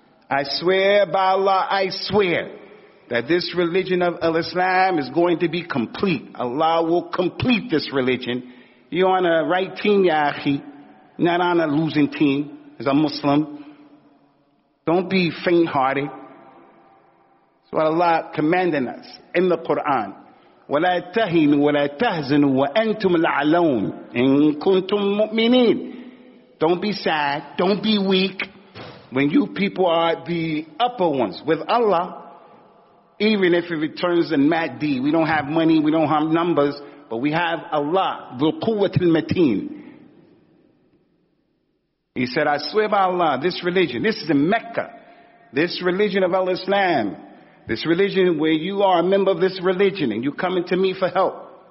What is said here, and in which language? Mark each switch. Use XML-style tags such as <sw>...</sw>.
<en>I swear by Allah, I swear that this religion of Islam is going to be complete. Allah will complete this religion. You're on a right team, ya akhi, not on a losing team as a Muslim. Don't be faint-hearted. That's what Allah commanding us in the Quran.</en> <ar>ولا تهنوا ولا تحزنوا وأنتم الأعلون إن كنتم مؤمنين.</ar> <en>Don't be sad, don't be weak. When you people are the upper ones with Allah, even if it returns in Mad D, we don't have money, we don't have numbers, but we have Allah, the Quwwat al-Mateen. He said, I swear by Allah, this religion, this is in Mecca, this religion of Al-Islam, this religion where you are a member of this religion and you come into me for help.</en>